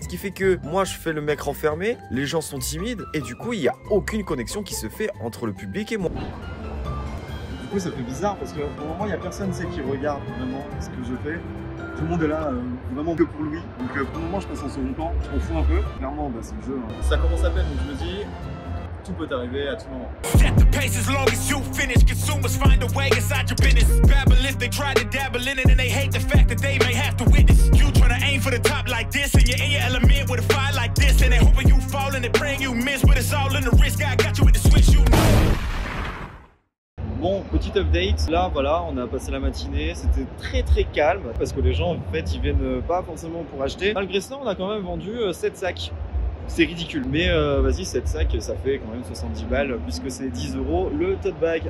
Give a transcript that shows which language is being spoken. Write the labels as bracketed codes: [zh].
[fr] Ce qui fait que moi, je fais le mec renfermé, les gens sont timides, et du coup, il n'y a aucune connexion qui se fait entre le public et moi. Du coup, ça fait bizarre parce que pour le moment, il n'y a personne qui regarde vraiment ce que je fais. Tout le monde est là vraiment que pour Louis. Donc pour le moment, je passe en second plan. Je m'en fous un peu. Clairement, bah, c'est le jeu. Hein. Ça commence à peine, donc je me dis, tout peut arriver à tout moment. [en] Set the pace as long as you finish. Consumers find a way inside your business. Babylon, they try to dabble in it and they hate the fact that they may have to witness. You trying to aim for the top like this and you're in your element with a fire like this. And they hope you fall and they praying you miss. But it's all in the risk. I got you with the switch, you know. [fr] Bon, petit update, là voilà, on a passé la matinée, c'était très très calme parce que les gens en fait ils viennent pas forcément pour acheter. Malgré ça, on a quand même vendu 7 sacs, c'est ridicule, mais vas-y, 7 sacs ça fait quand même 70 balles puisque c'est 10 euros le tote bag.